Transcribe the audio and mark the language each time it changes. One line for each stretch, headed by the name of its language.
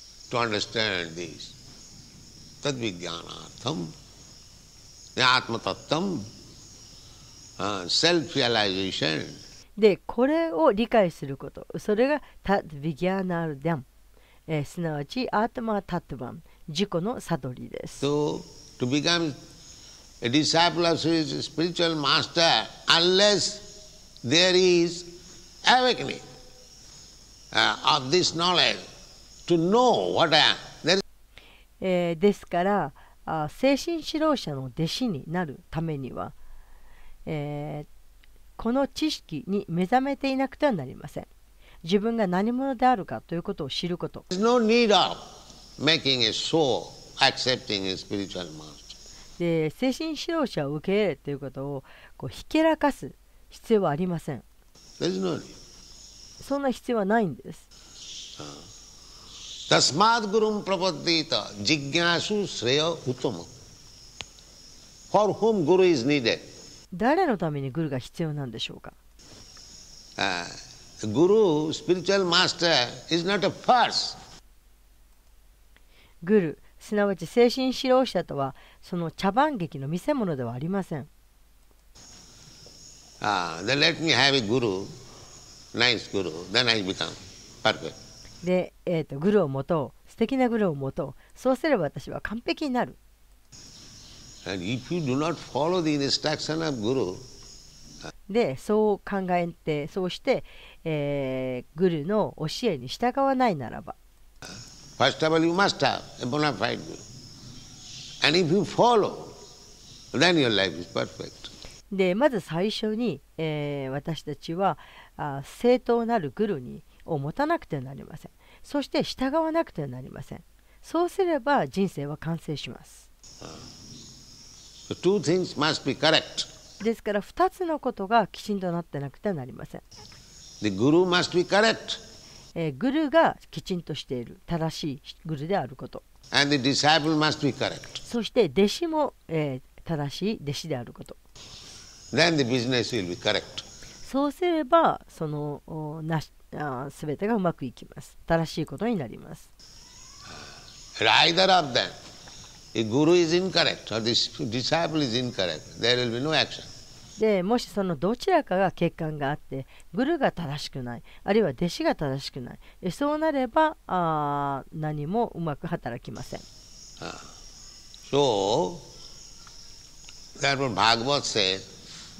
English: To understand this
Sanskrit: タッビギャナータムヤアトマタタム
English: Self-realization
Japanese: で、これを理解すること、それがタッビギャナールダム、すなわちアートマータットバン、自己の悟りです。
English: So, to become a disciple of his spiritual master, unless there is awakening of this knowledge, to know what I am. There is...
Japanese: ですから、精神指導者の弟子になるためには、この知識に目覚めていなくてはなりません。自分が何者であるかということを知ること、
English: There's no need of making a soul accepting a spiritual master.
Japanese: で、精神指導者を受け入れということをこうひけらかす必要はありません。
English: There's no need.
Japanese: そんな必要はないんです。
Sanskrit: タスマッドグルムプラパッディータジッギャーシュスレヨウトム
English: For whom guru is needed?
Japanese: 誰のためにグルが必要なんでしょうか。グルー、スピリチュアルマスター、
English: is not a force.
Japanese: グルー、すなわち精神指導者とは、その茶番劇の見せ物ではありません。
English: Then let me have a guru, nice guru, then I become perfect.
Japanese: で、グルーを持とう、素敵なグルーを持とう、そうすれば私は完璧になる。
English: And if you do not follow the instruction of guru,
Japanese: で、そう考えて、そうして、グルの教えに従わないならば。
English: First of all, you must have a bona fide guru. And if you follow, then your life is perfect.
Japanese: で、まず最初に、私たちは正当なるグルを持たなくてはなりません。そして従わなくてはなりません。そうすれば人生は完成します。
English: So two things must be correct.
Japanese: ですから2つのことがきちんとなってなくてはなりません。
English: The guru must be correct.
Japanese: グルがきちんとしている、正しいグルであること。
English: And the disciple must be correct.
Japanese: そして弟子も、正しい弟子であること。
English: Then the business will be correct.
Japanese: そうすれば、その、すべてがうまくいきます。正しいことになります。
English: Either of them. The guru is incorrect or the disciple is incorrect. There will be no action.
Japanese: で、もしそのどちらかが欠陥があって、グルが正しくない、あるいは弟子が正しくない、そうなれば、何もうまく働きません。
English: So, therefore, Bhagavat says.